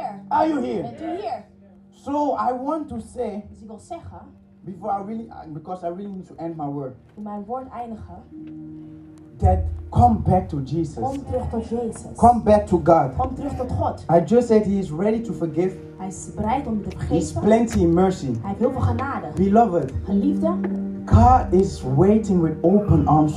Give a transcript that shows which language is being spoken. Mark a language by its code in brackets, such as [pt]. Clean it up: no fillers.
[en] Are you here? So I want to say Before I really, because I really need to end my word. [nl] Mijn woord eindigen. [en] That come back to Jesus. [nl] Kom terug tot Jezus. [en] Come back to God. [nl] Kom terug tot God. [en] I just said he is ready to forgive. [nl] Hij is bereid om te vergeven. [en] He's plenty in mercy. [nl] Hij heeft heel veel genade. [en] Beloved. [nl] Geliefde. [en] God is waiting with open arms